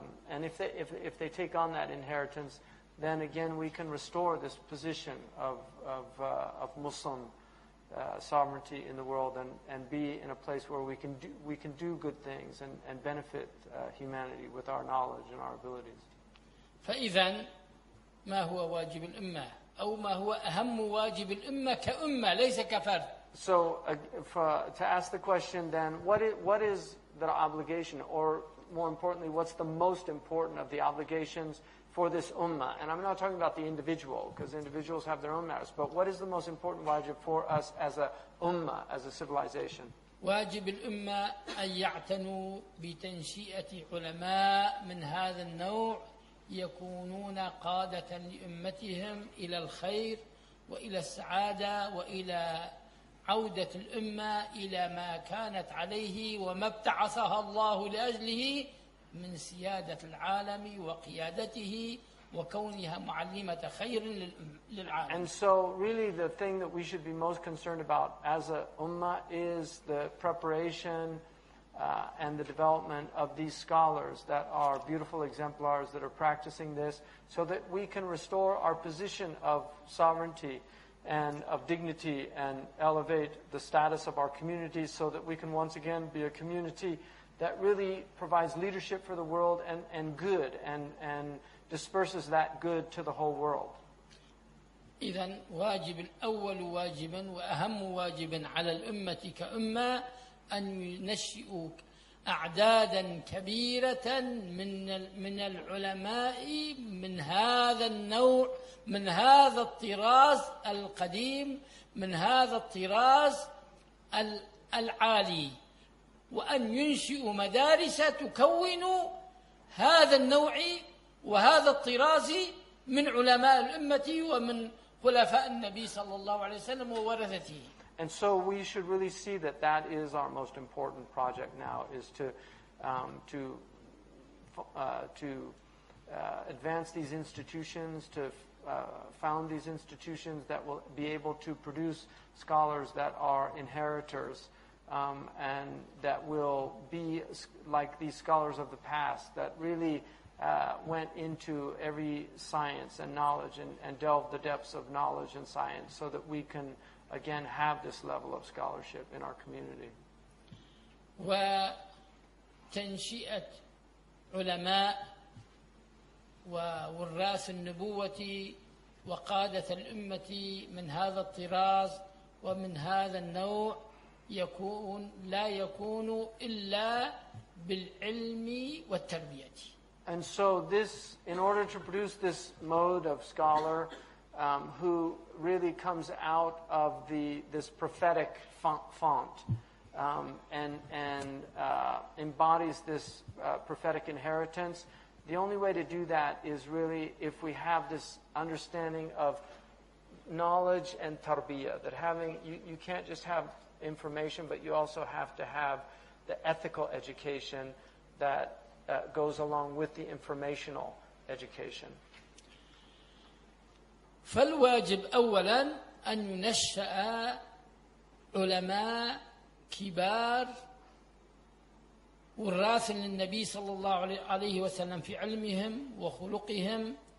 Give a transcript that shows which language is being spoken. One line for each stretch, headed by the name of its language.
English: And if they take on that inheritance, then again we can restore this position of Muslim sovereignty in the world and be in a place where we can do good things and benefit humanity with our knowledge and our abilities.
Arabic: فإذا ما هو واجب الأمة أو ما هو أهم واجب الأمة كأمة ليس كفرد.
English: So to ask the question then, what is the obligation, or more importantly, what's the most important of the obligations for this ummah? And I'm not talking about the individual, because individuals have their own matters, but what is the most important wajib for us as a ummah, as a civilization?
Arabic: واجب الأمة أن يعتنوا بتنشئة علماء من هذا النوع يكونون قادة لأمتهم إلى الخير وإلى السعادة وإلى عودة الأمة إلى ما كانت عليه وما ابتعثها الله لأجله من سيادة العالم وقيادته وكونها معلمة خير للعالم.
English: And so really the thing that we should be most concerned about as a ummah is the preparation and the development of these scholars that are beautiful exemplars that are practicing this, so that we can restore our position of sovereignty and of dignity and elevate the status of our communities, so that we can once again be a community that really provides leadership for the world and good and disperses that good to the whole world.
Arabic: إذن واجب الأول واجبا وأهم واجبا على الأمة كأمة أن ينشئوا أعدادا كبيرة من العلماء من هذا النوع من هذا الطراز القديم من هذا الطراز العالي وأن ينشئوا مدارس تكون هذا النوع وهذا الطراز من علماء الأمة ومن خلفاء النبي صلى الله عليه وسلم وورثته.
English: And so we should really see that that is our most important project now, is to advance these institutions, to found these institutions that will be able to produce scholars that are inheritors, and that will be like these scholars of the past that really went into every science and knowledge and delved the depths of knowledge and science, so that we can again have this level of scholarship in our community.
Arabic: وتنشئت علماء ووراث النبوة وقادة الأمة من هذا الطراز ومن هذا النوع لا يكون إلا بالعلم والتربية.
English: And so this, in order to produce this mode of scholar, who really comes out of this prophetic font and embodies this prophetic inheritance, the only way to do that is really if we have this understanding of knowledge and tarbiyah, that you can't just have information, but you also have to have the ethical education that goes along with the informational education.
Arabic: فالواجب أولا أن ينشأ علماء كبار وراث للنبي صلى الله عليه وسلم في علمهم وخلقهم